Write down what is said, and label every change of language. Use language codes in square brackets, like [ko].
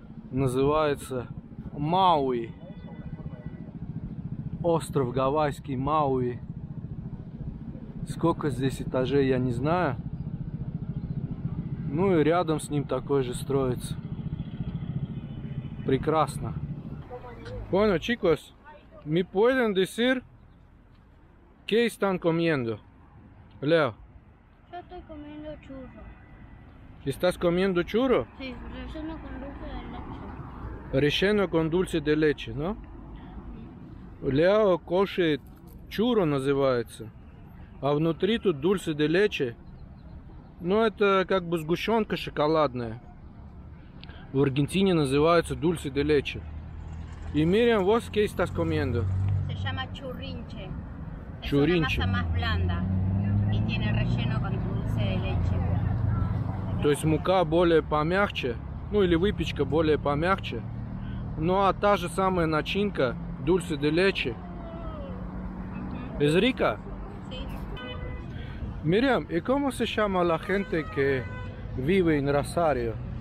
[ru] Называется Мауи. Остров Гавайский Мауи. Сколько здесь этажей, я не знаю. Ну и рядом с ним такой же строится. Прекрасно. [es] Bueno, chicos, me pueden decir qué están comiendo? Leo. Yo estoy comiendo churro. ¿Estás comiendo churro? Sí, relleno con dulce de leche. Relleno con dulce de leche, ¿no? [ru] Leo кушает churro, называется. А внутри тут дульсе де лече. Ну, это как бы сгущенка шоколадная. В Аргентине называется дульсе де лече. И Мириам, вот [es] кей стас комендо. Se llama churrinche. Churrinche. Es una masa más blanda. И tiene relleno con dulce de leche. [ru] То есть мука более помягче. Ну, или выпечка более помягче. Ну, а та же самая начинка дульсе де лече. Из Рика? [es] Miriam, ¿y cómo se llama la gente que vive en Rosario?